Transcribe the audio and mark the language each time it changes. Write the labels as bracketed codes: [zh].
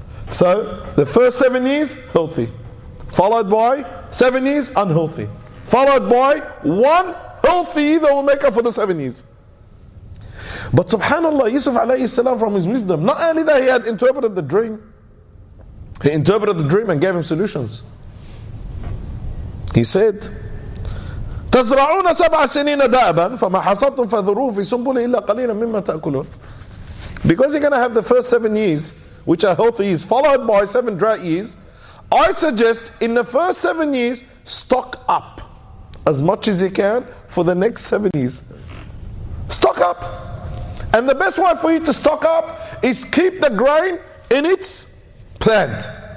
[en] So the first 7 years, healthy. Followed by 7 years, unhealthy. Followed by 1 healthy year that will make up for the 7 years. But subhanallah, Yusuf alayhi salam, from his wisdom, not only that, he had interpreted the dream. He interpreted the dream and gave him solutions. [ar] He said, تزرعون سبع سنين دابا فما حصدتم فذروه في سنبله إلا قليلا مما تأكلون. [en] Because you're going to have the first 7 years, which are healthy years, followed by 7 drought years, I suggest in the first 7 years, stock up as much as you can for the next 7 years. Stock up. And the best way for you to stock up is keep the grain in its plant.